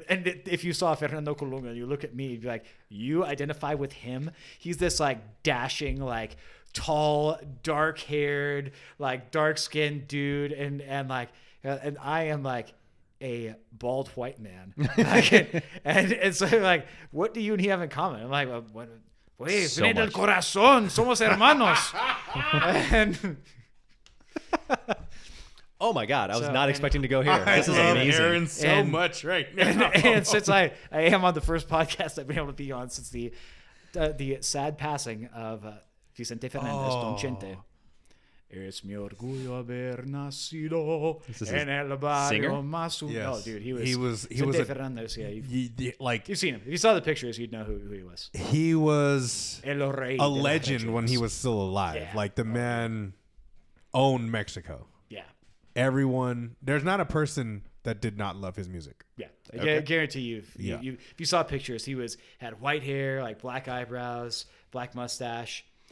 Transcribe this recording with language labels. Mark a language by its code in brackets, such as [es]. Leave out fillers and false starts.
[en] And if you saw Fernando Colunga and you look at me, you'd be like, you identify with him? He's this like dashing, like tall, dark haired, like dark skinned dude. And I am like a bald white man. and so like, what do you and he have in common? I'm like, well, what? [es] Pues, ven del corazón, somos hermanos. [en] Oh my God, I was not expecting to go here. This is amazing. Aaron much right now. And since I am on the first podcast I've been able to be on since the sad passing of Vicente Fernández Donchente. [es] Es mi orgullo haber nacido en el barrio más humilde. [en] Yes. Oh, dude, he was Fernández. Yeah, you've seen him. If you saw the pictures, you'd know who he was. He was [es] el rey, [en] a legend when he was still alive. Yeah. Like, the man owned Mexico. Yeah. Everyone, there's not a person that did not love his music. Yeah. Okay. I guarantee you, if you saw pictures, he had white hair, like black eyebrows, black mustache.